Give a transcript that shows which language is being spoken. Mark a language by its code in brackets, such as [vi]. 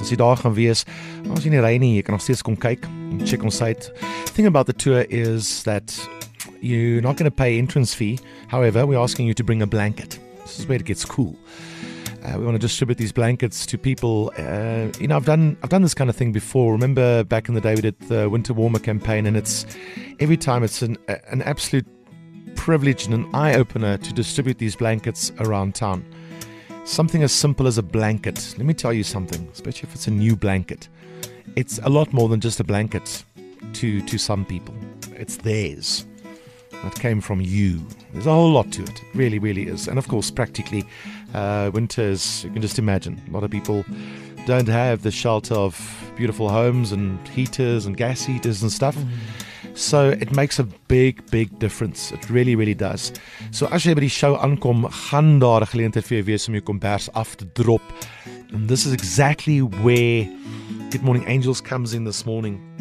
[af] As jy daar gaan wees, ons in die ry nie, jy kan nog steeds kom kyk en check ons uit. [en] Thing about the tour is that you're not going to pay entrance fee. However, we're asking you to bring a blanket. This is where it gets cool. We want to distribute these blankets to people. You know, I've done this kind of thing before. Remember back in the day we did the Winter Warmer campaign, and it's every time it's an absolute privilege and an eye-opener to distribute these blankets around town. Something as simple as a blanket. Let me tell you something, especially if it's a new blanket. It's a lot more than just a blanket to some people. It's theirs. That came from you. There's a whole lot to it. It really, really is. And of course, practically, winters, you can just imagine. A lot of people don't have the shelter of beautiful homes and heaters and gas heaters and stuff. So it makes a big, big difference. It really, really does. [af] So as jy by die show aankom, gaan daar 'n geleentheid vir jou wees om jou kombers af te drop. [en] And this is exactly where Good Morning Angels comes in this morning.